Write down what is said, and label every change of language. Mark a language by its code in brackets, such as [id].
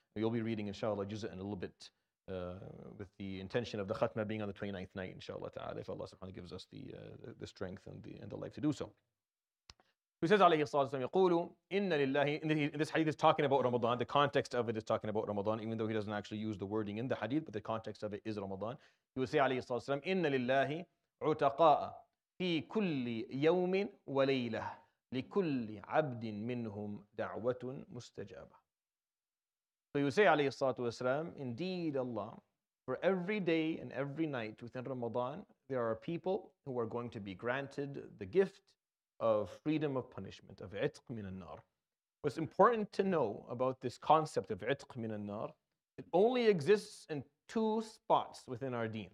[en] You'll be reading inshallah juz' in a little bit with the intention of the khatma being on the 29th night inshallah ta'ala, if Allah subhanahu wa ta'ala gives us the strength and the life to do so. He says alayhi salam yaqulu inna lillahi, in this hadith is talking about Ramadan, the context of it is talking about Ramadan, even though he doesn't actually use the wording in the hadith, but the context of it is Ramadan. He would say [ar] alayhi salam inna lillahi عتقاء في كل يوم وليلة لكل عبد منهم دعوة مستجابة. [en] So you say عليه الصلاة والسلام, indeed Allah, for every day and every night within Ramadan, there are people who are going to be granted the gift of freedom of punishment, of عتق من النار. What's important to know about this concept of عتق من النار, it only exists in two spots within our deen.